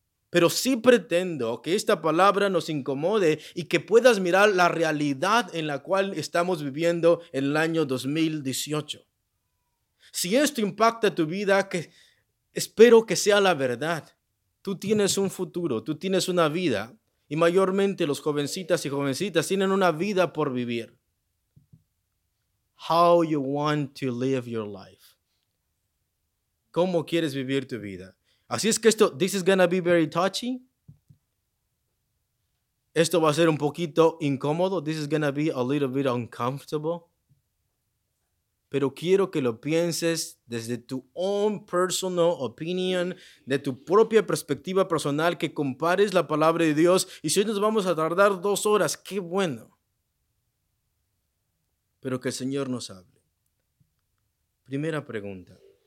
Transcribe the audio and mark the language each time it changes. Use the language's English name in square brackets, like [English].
[Spanish] Pero sí pretendo que esta palabra nos incomode y que puedas mirar la realidad en la cual estamos viviendo en el año 2018. Si esto impacta tu vida, que espero que sea la verdad. Tú tienes un futuro, tú tienes una vida, y mayormente los jovencitas y jovencitas tienen una vida por vivir. [English] How you want to live your life. [Spanish] ¿Cómo quieres vivir tu vida? Así es que esto, [English] this is gonna be very touchy. [Spanish] Esto va a ser un poquito incómodo. [English] This is gonna be a little bit uncomfortable. [Spanish] Pero quiero que lo pienses desde tu [English] own personal opinion, [Spanish] de tu propia perspectiva personal, que compares la palabra de Dios. Y si hoy nos vamos a tardar 2 horas, qué bueno. Pero que el Señor nos hable. Primera pregunta.